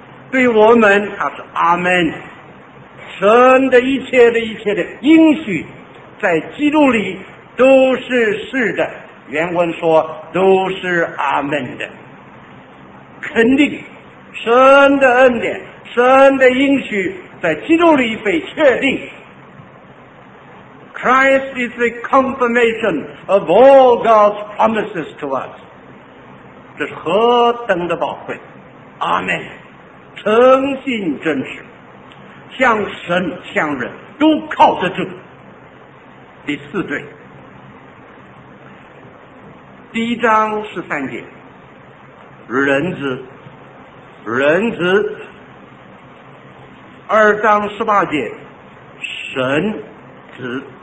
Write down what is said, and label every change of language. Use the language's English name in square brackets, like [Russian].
[Chinese] 对我们，他是阿们。神的一切的一切的应许，在基督里都是是的。原文说都是阿们的，肯定神的恩典、神的应许在基督里被确定。 [English] Christ is the confirmation of all God's promises to us. [Chinese] 这是何等的宝贵！阿门。诚信真实，向神向人都靠得住。第4对，第1章13节，人子，2章18节，神子。